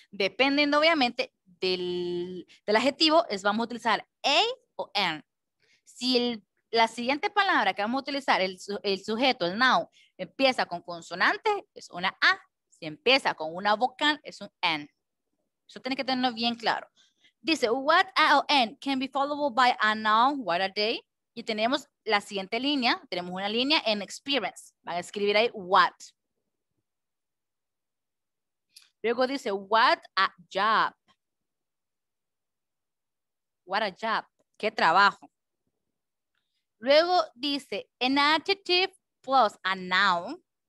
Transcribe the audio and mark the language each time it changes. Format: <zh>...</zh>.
<es>Dependiendo, obviamente, del adjetivo, es vamos a utilizar a o an. Si la siguiente palabra que vamos a utilizar, el sujeto, el noun, empieza con consonante, es una a. Si empieza con una vocal, es un an. Eso tiene que tenerlo bien claro. Dice,</es> <en>what a o an can be followed by a noun, what a day.</en> <es>Y tenemos la siguiente línea, tenemos una línea en experience. Van a escribir ahí what. Luego dice,</es> <en>what a job. What a job.</en> <es>Qué trabajo. Luego dice,</es> <en>an adjective plus a noun.</en>